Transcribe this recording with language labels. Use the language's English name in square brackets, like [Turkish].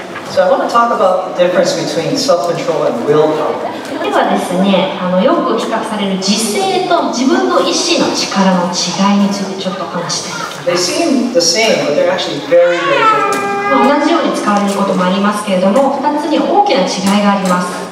[English] So I want to talk about the difference between self-control and willpower. [Japanese] ではですね、よく比較される自制と自分の意志の力の違いについてちょっと話したいと思います。 [English] They seem the same, but they're actually very, very different. [Japanese] 同じように使われることもありますけれども、2つに大きな違いがあります。